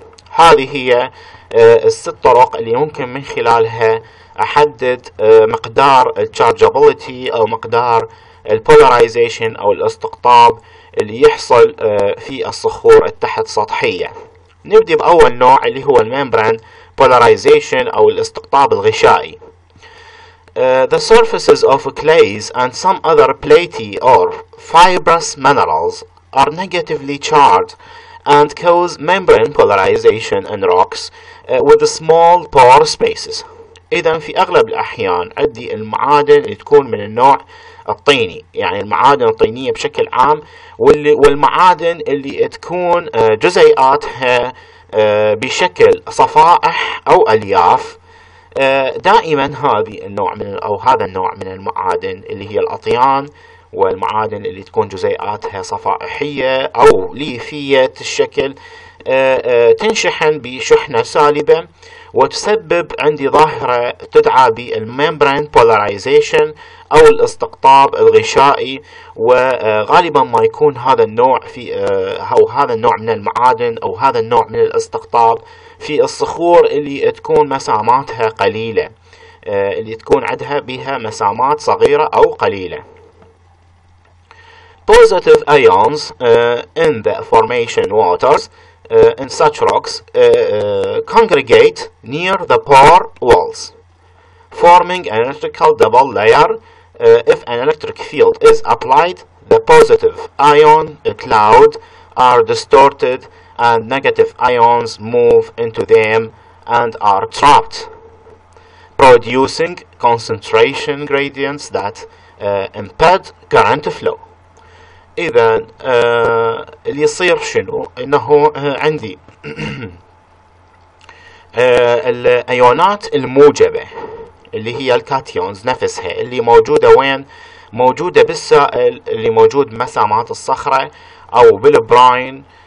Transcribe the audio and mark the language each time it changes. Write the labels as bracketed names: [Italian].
[Arabic] هذه هي 6 طرق اللي ممكن من خلالها احدد مقدار الشارجابلتي او مقدار البولاريزيشن او الاستقطاب اللي يحصل في الصخور التحت سطحية. نبدأ بأول نوع اللي هو الميمبران بولاريزيشن او الاستقطاب الغشائي. [English] The surfaces of clays and some other platy or fibrous minerals are negatively charged and cause membrane polarization in rocks with small pore spaces. [Arabic] إذا في أغلب الأحيان عندي المعادن اللي تكون من النوع الطيني، يعني المعادن الطينية بشكل عام، والمعادن اللي تكون جزيئاتها بشكل صفائح أو ألياف. دائما هذا النوع من المعادن اللي هي الأطيان والمعادن اللي تكون جزيئاتها صفائحية أو ليفية الشكل تنشحن بشحنة سالبة وتسبب عندي ظاهرة تدعى بالميمبرين بولاريزيشن أو الاستقطاب الغشائي، وغالبا ما يكون هذا النوع في أو هذا النوع من المعادن أو هذا النوع من الاستقطاب في الصخور اللي تكون مساماتها قليلة، اللي تكون عندها بها مسامات صغيرة أو قليلة. [English] Positive ions in the formation waters in such rocks congregate near the pore walls, forming an electrical double layer. If an electric field is applied, the positive ion cloud are distorted and negative ions move into them and are trapped, producing concentration gradients that impede current flow. [Arabic] إذا اللي يصير شنو؟ إنه عندي الأيونات الموجبة اللي هي الكاتيونز نفسها اللي موجودة وين؟ موجودة بالسائل اللي موجود بمسامات الصخرة أو بالبراين،